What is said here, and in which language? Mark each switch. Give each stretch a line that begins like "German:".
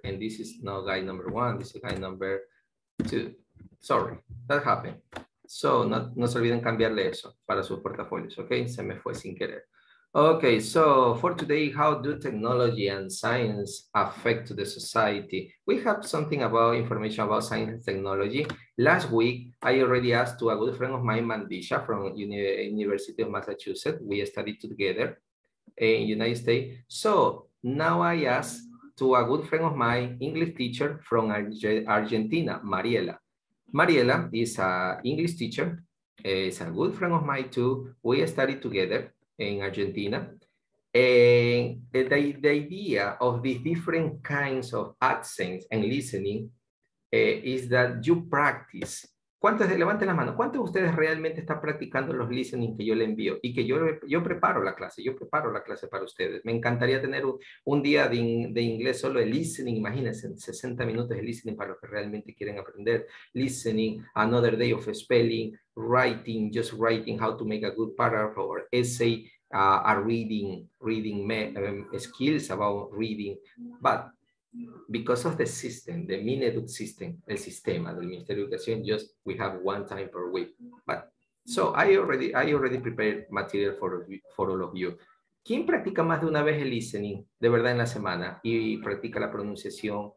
English: And this is not guy number one, this is guy number two. Sorry, that happened.
Spanish: So, no se olviden cambiarle eso para sus portafolios, okay? Se me fue sin querer.
English: Okay, so for today, how do technology and science affect the society? We have something about information about science and technology. Last week, I already asked to a good friend of mine, Mandisha, from University of Massachusetts. We studied together in United States. So now I ask to a good friend of mine, English teacher from Argentina, Mariela. Mariela is an English teacher. It's a good friend of mine too. We studied together in Argentina, and the idea of these different kinds of accents and listening is that you practice.
Spanish: ¿Cuántos, levanten la mano, cuántos de ustedes realmente están practicando los listening que yo le envío y que yo preparo la clase, yo preparo la clase para ustedes? Me encantaría tener un día de inglés solo de listening, imagínense, 60 minutos de listening para los que realmente quieren aprender.
English: Listening, another day of spelling, writing, just writing, how to make a good paragraph or essay, a reading skills about reading, but because of the system, the Mineduc system,
Spanish: el sistema del Ministerio de Educación,
English: just we have one time per week. But so I already prepared material for all of you.
Spanish: ¿Quién practica más de una vez el listening de verdad en la semana y practica la pronunciación?